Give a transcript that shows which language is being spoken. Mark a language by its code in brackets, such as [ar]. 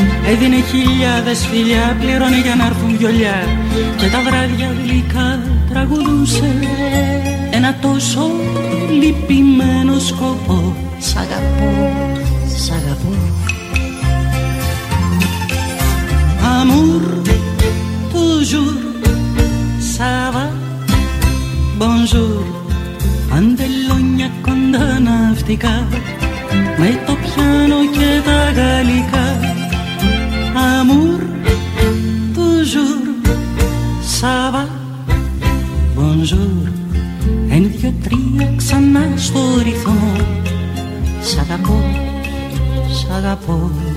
[el] Έδινε χιλιάδες φιλιά, πληρώνε για να έρθουν βιολιά και τα βράδια γλυκά τραγουδούσε. Ένα τόσο λυπημένο σκοπό, σ' αγαπώ, σ' αγαπώ. [fr] Amour, toujours, ça va, bonjour. [el] Παντελόνια κοντά ναυτικά, με το πιάνο και τα γαλλικά. [fr] Amour, toujours, ça va, bonjour. [el] Εν δυο τρία ξανά στο ρυθμό, σ' αγαπώ, σ' αγαπώ.